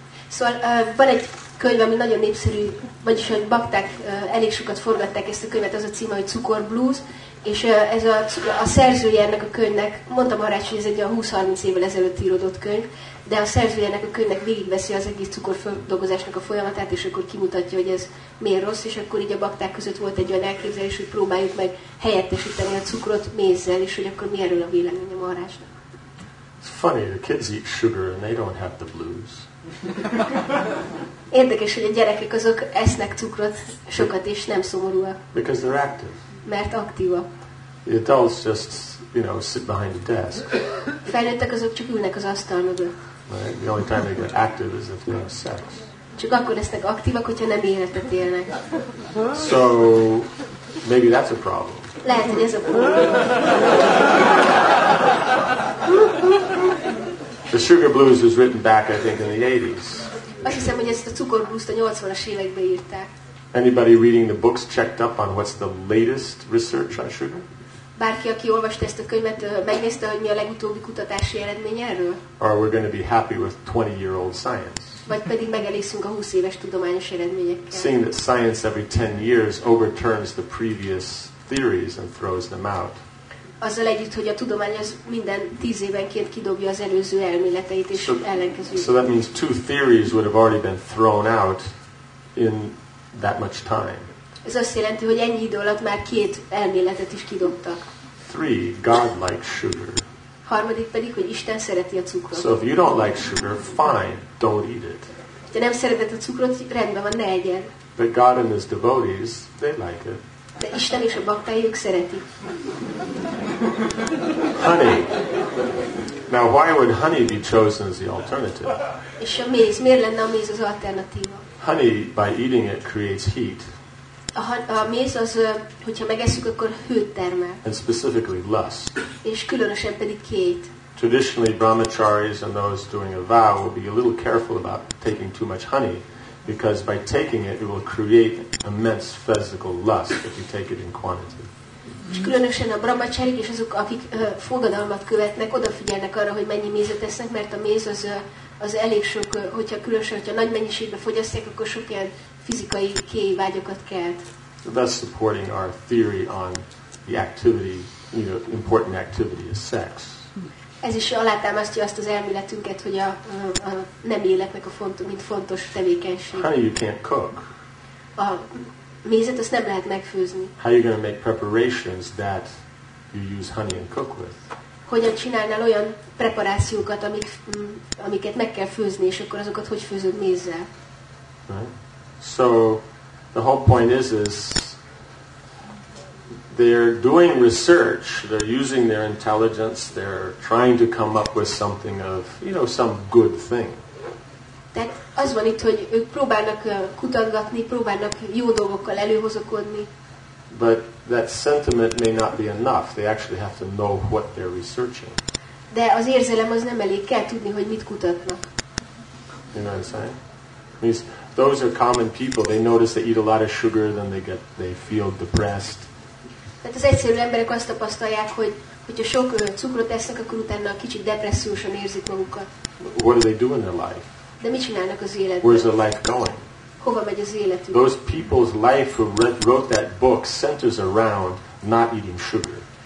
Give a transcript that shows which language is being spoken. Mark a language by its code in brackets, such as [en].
[hu] So, van egy könyv, ami nagyon népszerű, vagyis hogy bakták elég sokat forgatták ezt a könyvet, az a címe, hogy Cukor Blues, és ez a szerzője ennek a könyvnek, mondtam arra, hogy ez egy olyan 20-30 évvel ezelőtt írodott könyv, de a szerzője ennek a könyvnek végigveszi az egész cukorfeldolgozásnak a folyamatát, és akkor kimutatja, hogy ez miért rossz, és akkor így a bakták között volt egy olyan elképzelés, hogy próbáljuk meg helyettesíteni a cukrot mézzel, és hogy akkor mi erről a véleménye Maharajnak. [en] It's funny, the kids eat sugar and they don't have the blues. [hu] Érdekes, hogy a gyerekek azok esznek cukrot sokat, és nem szomorúak. [en] Because they're active. [hu] Mert aktívak. [en] The adults just, you know, sit behind the desk. [hu] Felnőttek azok csak ülnek az asztal mögött. [en] Right? The only time they get active is if they have sex. [hu] Csak akkor lesznek aktívak, hogyha nem életet élnek. [en] So, maybe that's a problem. [hu] Lehet, hogy ez a probléma. [en] The Sugar Blues was written back, I think, in the 80s. [hu] Azt hiszem, hogy ezt a Cukor Blues-t a 80-as években írták. [en] Anybody reading the books checked up on what's the latest research on sugar? [hu] Bárki, aki olvasta ezt a könyvet, megnézte, hogy mi a legutóbbi kutatási eredmény erről? [en] Or we're going to be happy with 20-year-old science. [hu] Vagy pedig megelégszünk a 20 éves tudományos eredményekkel. [en] Seeing that science every 10 years overturns the previous theories and throws them out. [hu] Azzal együtt, hogy a tudomány az minden 10 évenként kidobja az előző elméleteit és ellenkezőjét. [en] So that means two theories would have already been thrown out in that much time. [hu] Ez azt jelenti, hogy ennyi idő alatt már két elméletet is kidobtak. [en] Three, God likes sugar. [hu] Harmadik pedig, hogy Isten szereti a cukrot. [en] So if you don't like sugar, fine, don't eat it. [hu] Ha nem szereted a cukrot, rendben van, ne egyed. [en] But God and his devotees, they like it. [hu] De Isten és a baktái, ők szeretik. [en] Honey. Now why would honey be chosen as the alternative? [hu] És a méz, miért lenne a méz az alternatíva? [en] Honey, by eating it, creates heat. [hu] A méz az, hogyha megesszük, akkor hőt termel. [en] And specifically lust. [hu] És különösen pedig kéjt. [en] Traditionally, brahmacharis and those doing a vow will be a little careful about taking too much honey, because by taking it, it will create immense physical lust if you take it in quantity. [hu] És különösen a brahmacharik és azok, akik fogadalmat követnek, odafigyelnek arra, hogy mennyi mézet esznek, mert a méz az az elég sok, hogyha különösen, hogyha nagy mennyiségbe fogyasztják, akkor sok ilyen fizikai kéjvágyakat kelt. [en] So that's supporting our theory on the activity, you know, important activity is sex. [hu] Ez is alátámasztja azt az elméletünket, hogy a nem életnek a fontos, mint fontos tevékenység. [en] Honey, you can't cook. [hu] A mézet azt nem lehet megfőzni. [en] How are you going to make preparations that you use honey and cook with? [hu] Hogyan csinálnál olyan preparációkat, amiket meg kell főzni, és akkor azokat hogy főzöd mézzel? [en] Right. So the whole point is they're doing research, they're using their intelligence, they're trying to come up with something of, you know, some good thing. [hu] Tehát az van itt, hogy ők próbálnak kutatgatni, próbálnak jó dolgokkal előhozakodni. [en] But that sentiment may not be enough. They actually have to know what they're researching. [hu] De az érzelem az nem elég, kell tudni, hogy mit kutatnak. [en] You know what I'm saying? Means those are common people. They notice they eat a lot of sugar, then they feel depressed. [hu] Tehát az egyszerű emberek azt tapasztalják, hogyha sok cukrot esznek, akkor utána kicsit depressziósan érzik magukat. [en] What do they do in their life? [hu] De mit csinálnak az életben? [en] Where's their life going? [hu] Hova megy az életük? [en] Those people's life who wrote that book centers around not eating sugar.